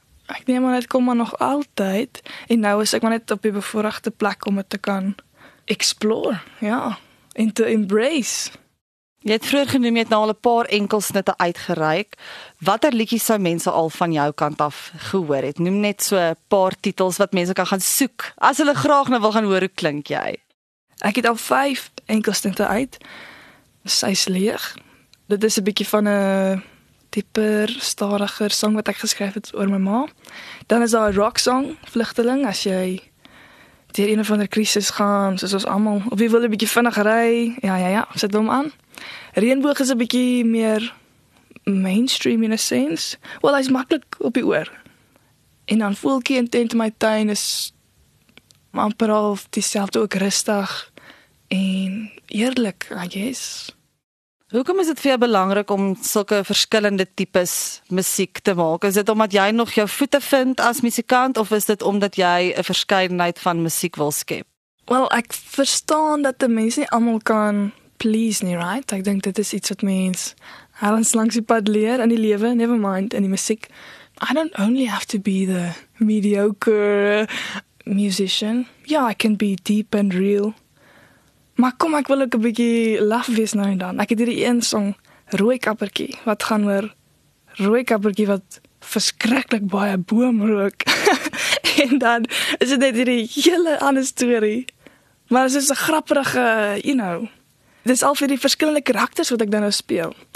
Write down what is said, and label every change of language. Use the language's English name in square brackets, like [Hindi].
[Afrikaans] Ek neem aan, dit kom maar nog altyd, en nou is ek maar net op die bevoorregte plek om dit te kan explore, ja, en te embrace. Jy het vroeger genoem, jy het nou al 'n paar enkelsnitte uitgereik. Watter liedjies sou mense al van jou kant af gehoor het? Noem net so 'n paar titels wat mense kan gaan soek, as hulle graag nou wil gaan hoor hoe klink jy. Ek het al 5 enkelsnitte uit. Sy is leeg. Dit is 'n bietjie van 'n dieper, stadiger song wat ek geskryf het oor my ma. Dan is daar 'n rock song, Vluchteling, as jy deur een of ander krisis gaan, soos ons allemaal, of jy wil 'n bietjie vinnig ry, ja, sit hom aan. Reënboog is 'n bietjie meer mainstream [English] in a sense. [Afrikaans] Wel, hy is makkelijk op die oor. En dan Voeltjie en Tent in my tuin is amper al dieselfde ook rustig en eerlik, [English] I guess. [Afrikaans] Hoekom is dit vir jou belangrik om sulke verskillende types musiek te maak? Is dit omdat jy nog jou voete vind as musikant, of is dit omdat jy 'n verskeidenheid van musiek wil skep? Wel, ek verstaan dat die mens nie almal kan please nie, right? Ek dink dit is iets wat mens alles langs die pad leer in die lewe, [English] never mind [Afrikaans] in die musiek. [English] I don't only have to be the mediocre musician. Yeah, I can be deep and real. [Afrikaans] Maar kom, ek wil ook 'n bietjie laf wees nou en dan. Ek het hierdie een song, Rooi Kappertjie, wat gaan oor Rooi Kappertjie wat verskriklik baie boom rook. En dan is dit net hierdie hele ander story. Maar dit is 'n grappige, [English] you know. [Afrikaans] Dit is al vir die verskillende karakters wat ek dan nou speel.